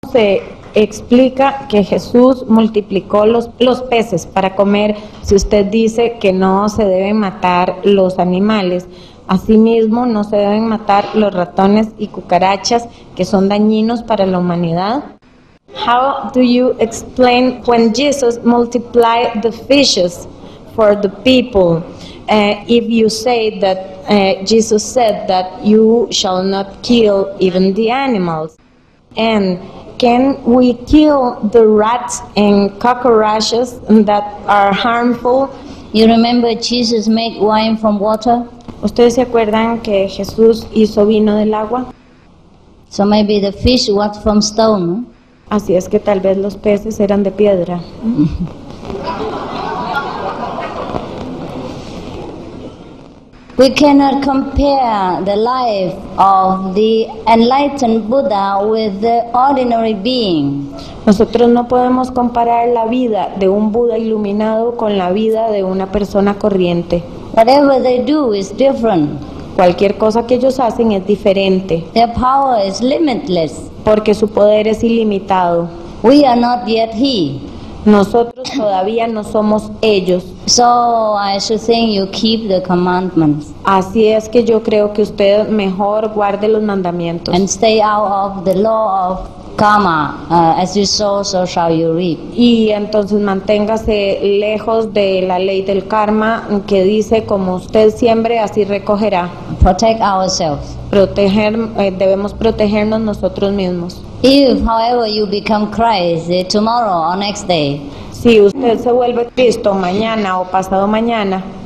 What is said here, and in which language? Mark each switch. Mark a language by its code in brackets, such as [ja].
[es] se explica que Jesús multiplicó los peces para comer, si usted dice que no se deben matar los animales, asimismo no se deben matar los ratones y cucarachas que son dañinos para la humanidad? [en] How do you explain when Jesus multiplied the fishes for the people? If you say that Jesus said that you shall not kill even the animals, and can we kill the rats and cockroaches that are harmful? You remember Jesus made wine from water? [es] ¿Ustedes se acuerdan que Jesús hizo vino del agua? [en] So maybe the fish was from stone. [es] Así es que tal vez los peces eran de piedra. [en] We cannot compare the life of the enlightened Buddha with the ordinary being. [es] Nosotros no podemos comparar la vida de un Buda iluminado con la vida de una persona corriente. [en] Whatever they do is different. [es] Cualquier cosa que ellos hacen es diferente. [en] Their power is limitless. [es] Porque su poder es ilimitado. [en] We are not yet he. [es] Nosotros todavía no somos ellos. [en] So I should think you keep the commandments. [es] Así es que yo creo que usted mejor guarde los mandamientos. [en] And stay out of the law of karma. As you sow, so shall you reap. [es] Y entonces manténgase lejos de la ley del karma que dice como usted siembre así recogerá. [en] Protect ourselves. [es] Debemos protegernos nosotros mismos. [en] If, however, you become Christ tomorrow or next day, [es] si usted se vuelve Cristo mañana o pasado mañana,